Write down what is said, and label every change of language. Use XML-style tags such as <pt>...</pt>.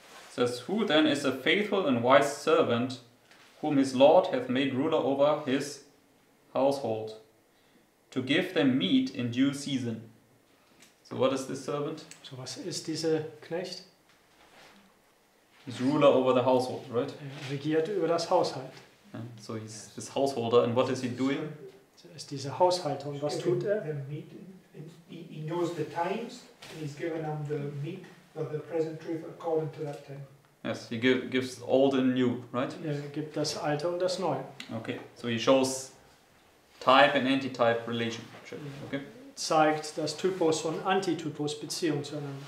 <en>Says, who then is a faithful and wise servant whom his Lord hath made ruler over his household to give them meat in due season? So what is this servant?</en> <de>So was ist dieser Knecht?</de> <en>He's ruler over the household, right?</en> <de>Er regiert über das Haushalt.</de> <en>And so he's this householder, and what is he doing?</en> <de>So ist dieser Haushalter, und was tut er?</de> <en>He knows the times, and he's given them the meat. The present truth according to that time. Yes, he gives old and new, right?</en> <de>Er gibt das Alte und das Neue.</de> <en>Okay, so he shows type and anti-type relationship. Yeah. Okay.</en> <de>Zeigt das Typus und Antitypus Beziehung zueinander.</de>